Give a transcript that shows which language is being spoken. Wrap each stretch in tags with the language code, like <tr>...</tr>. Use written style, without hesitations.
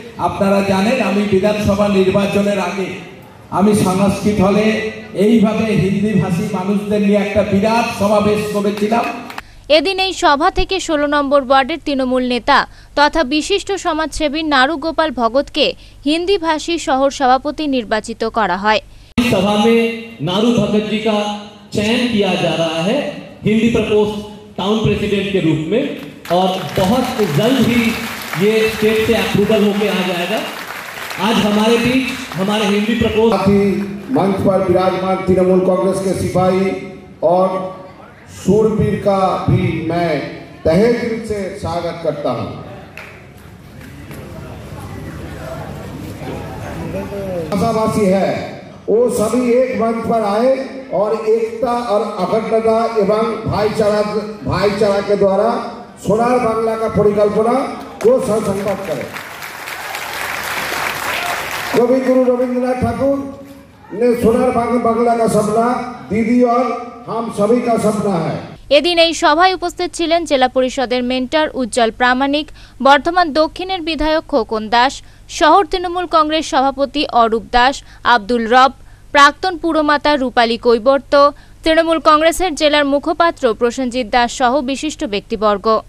<bn>আপনারা জানেন আমি বিধানসভা নির্বাচনের আগে আমি সাংস্কৃতিক হলে এইভাবে হিন্দি ভাষী মানুষদের নিয়ে একটা বিরাট সমাবেশ করেছিলাম। এদিন এই সভা থেকে ১৬ নম্বর ওয়ার্ডের তৃণমূল নেতা তথা বিশিষ্ট সমাজসেবী নারু গোপাল ভগতকে হিন্দি ভাষী শহর সভাপতি নির্বাচিত করা হয়। সভাতে</bn> <hi>নারু ভগত জি কা चयन किया जा रहा है हिंदी प्रकोष्ठ टाउन प्रेसिडेंट के रूप में, और बहुत जल्द ही ये स्टेट से अप्रूवल होकर आ जाएगा। आज हमारे बीच हमारे हिंदी प्रकोष्ठ मंच पर विराजमान तृणमूल कांग्रेस के सिपाही और सूरवीर का भी मैं तहे दिल से स्वागत करता हूं। आशावासी है वो सभी एक मंच पर आए और एकता और अखंडता एवं भाईचारा के द्वारा सोनार बांग्ला का परिकल्पना को संकल्प करें। कवि गुरु रविंद्रनाथ ठाकुर ने सोनार बांग्ला का सपना दीदी और हम सभी का सपना है।</hi> <bn>এদিন এই সভায় উপস্থিত ছিলেন জেলা পরিষদের মেন্টর উজ্জ্বল প্রামাণিক, বর্ধমান দক্ষিণের বিধায়ক খোকন দাস, শহর তৃণমূল কংগ্রেস সভাপতি অরূপ দাস, আব্দুল রব, প্রাক্তন পুরমাতা রূপালী কৈবর্ত, তৃণমূল কংগ্রেসের জেলার মুখপাত্র প্রসেনজিৎ দাস সহ বিশিষ্ট ব্যক্তিবর্গ।</bn>